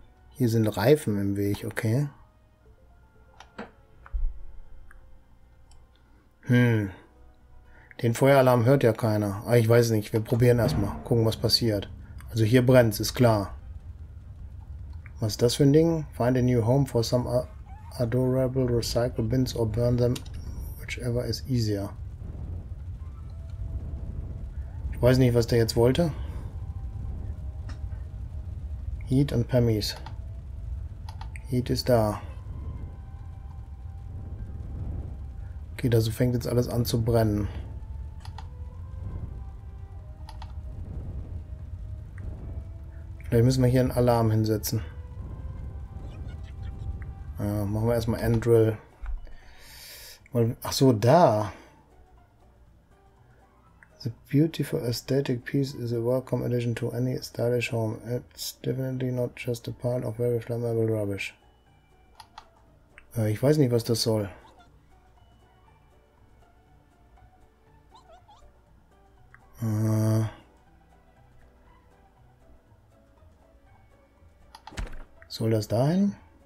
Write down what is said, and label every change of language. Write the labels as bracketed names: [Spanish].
[German] Hier sind Reifen im Weg, okay. Den Feueralarm hört ja keiner. Aber ich weiß nicht, wir probieren erstmal. Gucken, was passiert. Also hier brennt es, ist klar. Was ist das für ein Ding? [English] Find a new home for some adorable recycle bins or burn them, whichever is easier. [German] Ich weiß nicht, was der jetzt wollte. Heat and Pammies. Heat ist da. Okay, also fängt jetzt alles an zu brennen. Vielleicht müssen wir hier einen Alarm hinsetzen. Ja, machen wir erstmal Enddrill. Ach so, da. [English] The beautiful aesthetic piece is a welcome addition to any stylish home. It's definitely not just a pile of very flammable rubbish. [German] Ich weiß nicht, was das soll. Soll das dahin?